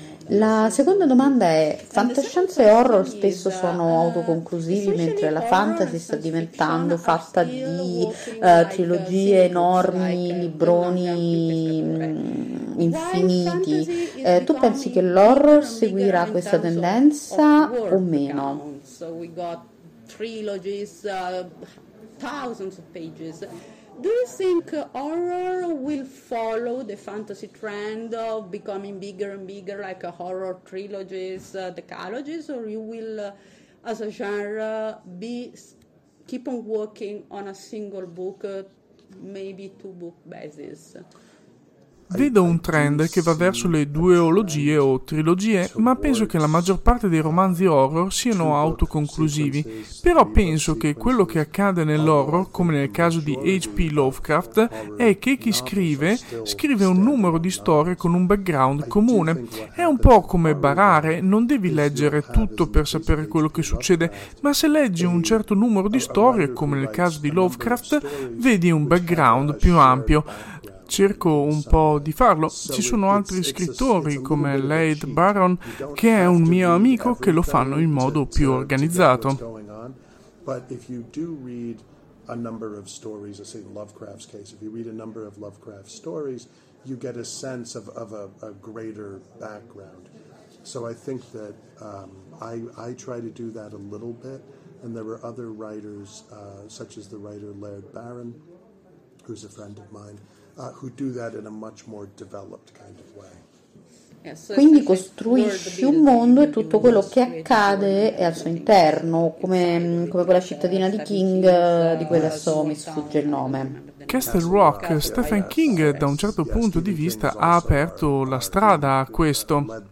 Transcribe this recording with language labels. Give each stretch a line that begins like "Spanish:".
Italian: La seconda domanda è: fantascienza e horror spesso sono autoconclusivi, mentre la fantasy sta diventando fatta di trilogie enormi, libroni infiniti. Tu pensi che l'horror seguirà questa tendenza o meno?
English: So we got trilogies, thousands of pages. Do you think horror will follow the fantasy trend of becoming bigger and bigger, like a horror trilogies, decalogies, or you will, as a genre, keep on working on a single book, maybe two book basis?
Italian: Vedo un trend che va verso le duologie o trilogie, ma penso che la maggior parte dei romanzi horror siano autoconclusivi. Però penso che quello che accade nell'horror, come nel caso di H.P. Lovecraft, è che chi scrive un numero di storie con un background comune. È un po' come barare, non devi leggere tutto per sapere quello che succede, ma se leggi un certo numero di storie, come nel caso di Lovecraft, vedi un background più ampio. Cerco un po' di farlo. Ci sono altri scrittori come Leigh Baron, che è un mio amico, che lo fanno in modo più organizzato.
English: But if you do read a number of stories, say in Lovecraft's case, if you read a number of Lovecraft stories, you get a sense of a greater background. So I think that I try to do that a little bit, and there were other writers such as the writer Leigh Baron, who's a friend of mine. Who do that in a much more developed kind of way.
Italian: Quindi costruisci un mondo e tutto quello che accade è al suo interno, come quella cittadina di King di cui adesso mi sfugge il nome. Castle Rock, Stephen King, da un certo punto di vista ha aperto la strada a questo.